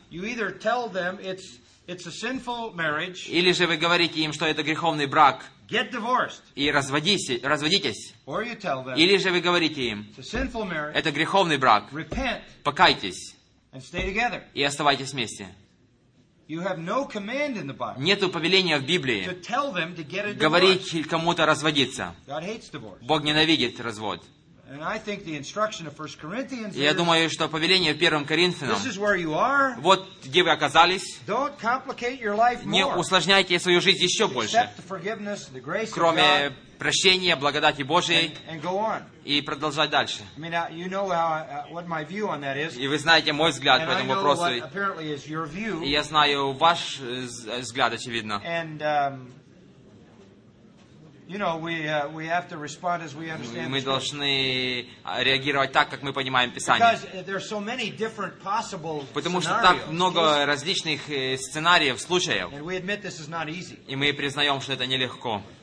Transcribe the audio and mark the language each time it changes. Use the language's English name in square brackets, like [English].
[English] You either tell them it's a sinful marriage. [Russian] Или же вы говорите им, что это греховный брак. [English] Get divorced. [Russian] И разводитесь. [English] Or you tell them, [Russian] или же вы говорите им, [English] it's a sinful marriage, [Russian] это греховный брак. [English] Repent, [Russian] покайтесь. [English] And stay together. [Russian] И оставайтесь вместе. [English] You have no command in the Bible. [Russian] Нету повеления в Библии говорить кому-то разводиться. [English] God hates divorce. [Russian] Бог ненавидит развод. [English] And I think the instruction of 1 Corinthians. [Russian] Я думаю, что повеление в 1 Коринфянам. [English] This is where you are. [Russian] Вот где вы оказались. [English] Don't complicate your life more. [Russian] Не усложняйте свою жизнь еще больше. [English] Accept the forgiveness, the grace of God. [Russian] Кроме прощения, благодати Божией. [English] And go on. [Russian] И продолжать дальше. [English] I mean, you know how, what my view on that is. [Russian] И вы знаете мой взгляд по этому вопросу. [English] And I know what apparently is your view. [Russian] И я знаю ваш взгляд, очевидно. [English] And you know, we have to respond as we understand. [Russian] Мы должны реагировать так, как мы понимаем Писание. [English] Because there are so many different possible scenarios. [Russian] Потому что так много различных сценариев, случаев. [English] And we admit this is not easy. [Russian] И мы признаем, что это нелегко.